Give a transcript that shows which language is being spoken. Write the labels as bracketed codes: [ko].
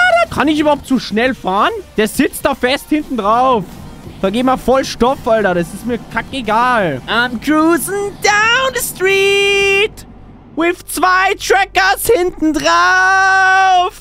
[de] Kann ich überhaupt zu schnell fahren? Der sitzt da fest hinten drauf. Vergeh mal voll Stoff, Alter. Das ist mir kackegal. [en] I'm cruising down the street. With [de] zwei Trackers hinten drauf.